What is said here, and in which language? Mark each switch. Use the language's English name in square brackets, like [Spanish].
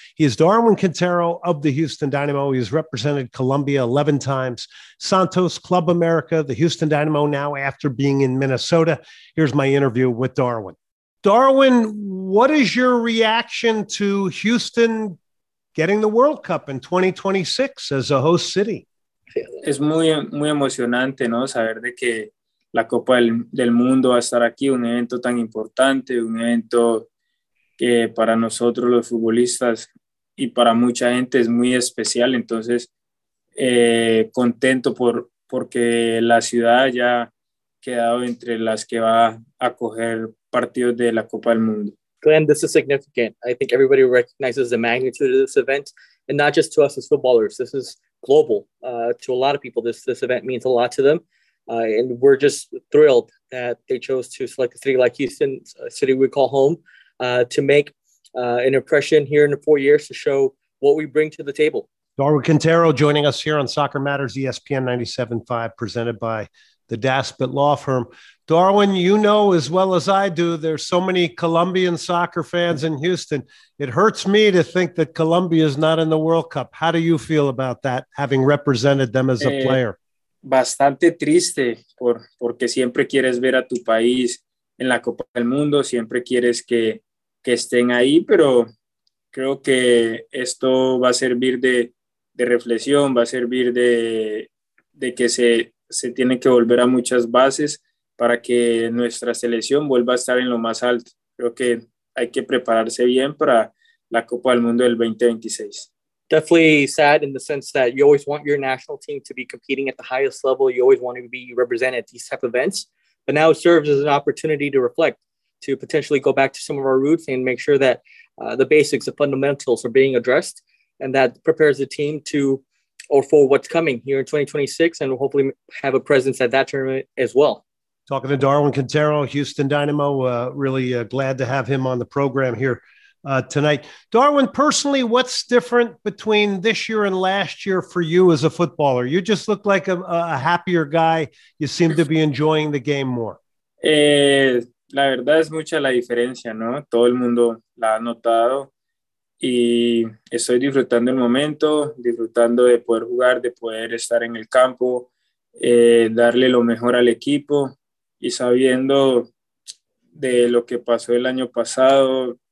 [English] He is Darwin Quintero of the Houston Dynamo. He has represented Colombia 11 times. Santos, Club America, the Houston Dynamo now after being in Minnesota. Here's my interview with Darwin. Darwin, what is your reaction to Houston getting the World Cup in 2026 as a host city? [Spanish] Es muy, muy emocionante, ¿no? Saber de que la Copa del Mundo va a estar aquí, un evento tan importante, un evento que para nosotros los futbolistas y para mucha gente es muy especial. Entonces, contento porque la ciudad ya ha quedado entre las que va a coger partidos de la Copa del Mundo. [English] Glenn, this is significant. I think everybody recognizes the magnitude of this event, and not just to us as footballers. This is global to a lot of people. This event means a lot to them. And we're just thrilled that they chose to select a city like Houston, a city we call home, to make an impression here in 4 years to show what we bring to the table. Darwin Quintero joining us here on Soccer Matters, ESPN 97.5, presented by the Daspit Law Firm. Darwin, you know as well as I do, there's so many Colombian soccer fans in Houston. It hurts me to think that Colombia is not in the World Cup. How do you feel about that, having represented them as a player? [Spanish] Bastante triste, porque siempre quieres ver a tu país en la Copa del Mundo, siempre quieres que estén ahí, pero creo que esto va a servir de reflexión, va a servir de que se tiene que volver a muchas bases para que nuestra selección vuelva a estar en lo más alto. Creo que hay que prepararse bien para la Copa del Mundo del 2026. [English] Definitely sad in the sense that you always want your national team to be competing at the highest level. You always want to be represented at these type of events. But now it serves as an opportunity to reflect, to potentially go back to some of our roots and make sure that the basics, the fundamentals are being addressed. And that prepares the team to or for what's coming here in 2026 and will hopefully have a presence at that tournament as well. Talking to Darwin Quintero, Houston Dynamo, really glad to have him on the program here tonight. Darwin, personally, what's different between this year and last year for you as a footballer? You just look like a happier guy. You seem to be enjoying the game more. [Spanish] La verdad es mucha la diferencia, ¿no? Todo el mundo la ha notado y estoy disfrutando el momento, disfrutando de poder jugar, de poder estar en el campo, darle lo mejor al equipo y sabiendo de lo que pasó el año pasado.